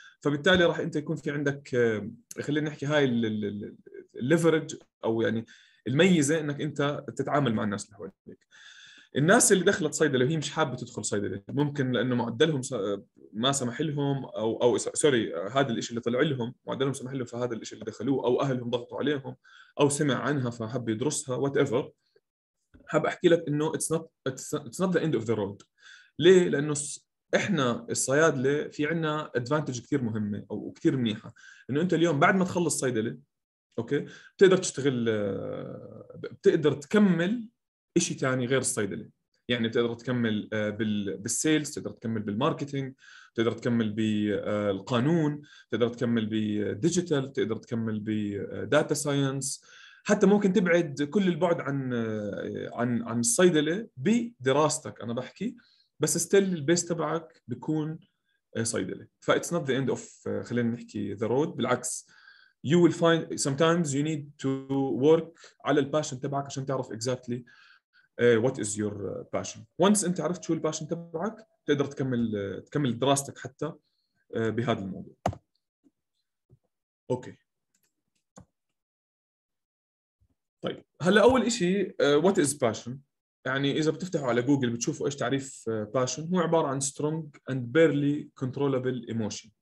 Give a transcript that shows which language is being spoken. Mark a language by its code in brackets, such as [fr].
[ar] فبالتالي راح أنت يكون في عندك، خلينا نحكي هاي leverage أو يعني الميزة أنك أنت تتعامل مع الناس اللي حواليك. الناس اللي دخلت صيدلة وهي مش حابة تدخل صيدلة، ممكن لأنه معدلهم ما سمح لهم، أو سوري هذا الإشي اللي طلع لهم معدلهم سمح لهم فهذا الإشي اللي دخلوه، أو أهلهم ضغطوا عليهم، أو سمع عنها فحب يدرسها، whatever. حاب أحكي لك إنه [en] it's not the end of the road. [ar] ليه؟ لأنه إحنا الصيادلة في عنا advantage كتير مهمة أو كتير منيحة، إنه أنت اليوم بعد ما تخلص صيدلة أوكي بتقدر تشتغل، بتقدر تكمل إشي تاني غير الصيدلة. يعني بتقدر تكمل بالسيلز، تقدر تكمل بالماركتينج، تقدر تكمل بالقانون، تقدر تكمل بالديجيتال، تقدر تكمل بداتا ساينس. حتى ممكن تبعد كل البعد عن عن عن الصيدلة بدراستك أنا بحكي، بس استيل البيس تبعك بيكون صيدلة. [en] فإتس not the end of, [ar] خلينا نحكي [en] the road, [ar] بالعكس. [en] You will find sometimes you need to work [ar] على الباشن تبعك عشان تعرف [en] exactly what is your passion. [ar] Once انت عرفت شو الباشن تبعك تقدر تكمل دراستك حتى بهذا الموضوع. اوكي طيب هلا اول اشي [en] what is passion. [ar] يعني اذا بتفتحوا على جوجل بتشوفوا ايش تعريف passion، هو عبارة عن [en] strong and barely controllable emotion.